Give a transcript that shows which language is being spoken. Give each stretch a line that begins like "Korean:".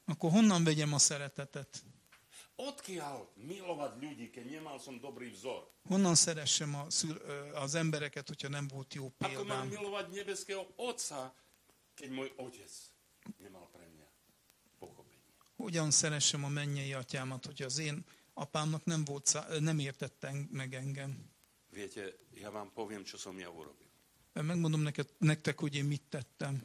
Hungarian: Akkor honnan vegyem a szeretetet?
Slovak: Odkiaľ milovať ľudí, keď nemal som dobrý vzor?
Hungarian: Honnan szeressem az embereket, hogyha nem volt jó példám?
Slovak: Ako mám milovať nebeského otca, keď môj otec nemal pre mňa?
Hungarian: Hogyan szeressem a mennyei atyámat, hogy az én apámnak nem volt, nem értette meg engem.
Slovak: Viete, ja vám poviem, čo som ja urobil.
Hungarian: Megmondom nektek, hogy én mit tettem.